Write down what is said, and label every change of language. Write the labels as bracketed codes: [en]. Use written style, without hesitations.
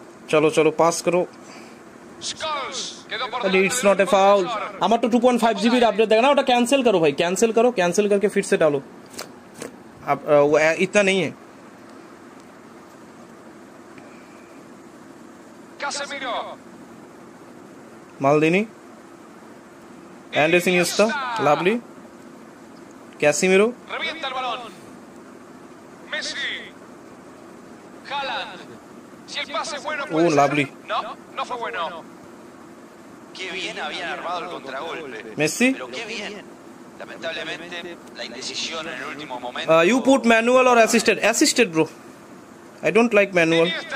[hi] चलो चलो पास करो [en] it's not a foul [hi] हमारा तो 2.5 जीबी अपडेट देगा ना वो कैंसिल करो भाई कैंसिल करो कैंसिल करके फिर से डालो अब वो इतना नहीं है Maldini Anderson Iniesta lovely Casemiro [es] revienta el balón Messi Haaland si el pase es bueno pues lovely no fue bueno qué bien habían armado el contragolpe Messi pero qué bien lamentablemente la indecisión en el último momento [en] you put manual or assisted assisted bro I don't like manual